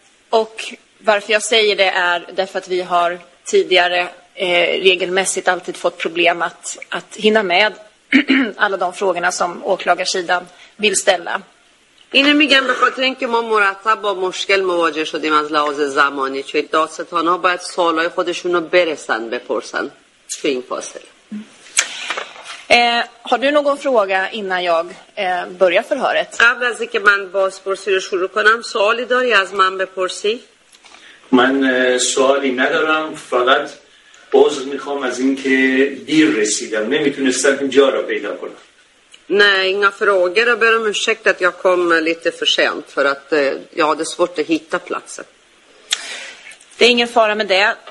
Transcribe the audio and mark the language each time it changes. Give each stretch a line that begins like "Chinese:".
Swedish: Och varför jag säger det är därför att vi har tidigare regelmässigt alltid fått problem att hinna med alla de frågorna som åklagarsidan vill ställa.
Persian: اینو میگم به خاطر اینکه ما مرتب با مشکل مواجه شدیم از لحاظ زمانی چون دادستان ها باید سوالای خودشون رو برسن بپرسن تو این فاصله.
Swedish: Har du någon fråga innan jag börjar förhöret?
Persian: قبل از اینکه من بازپرسی رو شروع کنم سوالی داری از من بپرسی؟ من سوالی ندارم فقط عذر میخوام از اینکه دیر رسیدم نمیتونستم اینجا رو پیدا کنم.
Swedish: Nej, inga frågor. Jag ber om ursäkt att jag kom lite för sent för att jag hade svårt att hitta platsen. Det är ingen fara med det.